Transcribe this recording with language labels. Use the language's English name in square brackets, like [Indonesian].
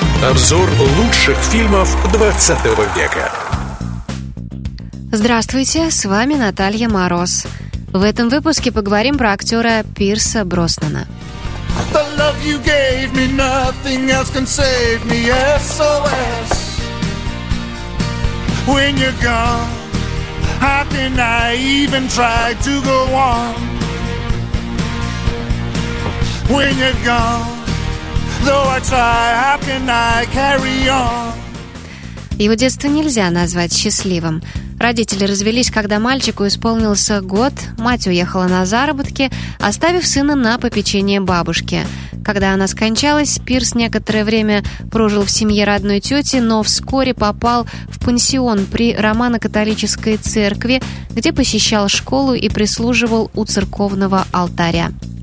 [Russian] Обзор лучших фильмов 20 века. Здравствуйте, с вами Наталья Мороз. В этом выпуске поговорим про актера Пирса Броснана. [English] The love you gave me, nothing else can save me, SOS. When you're gone, how can I even try to go on? When you're gone, though I try, how can I carry on? [Russian] Его детство нельзя назвать счастливым. Родители развелись, когда мальчику исполнился год, мать уехала на заработки, оставив сына на попечение бабушки. Когда она скончалась, Пирс некоторое время прожил в семье родной тети, но вскоре попал в пансион при Романо-католической церкви, где посещал школу и прислуживал у церковного алтаря.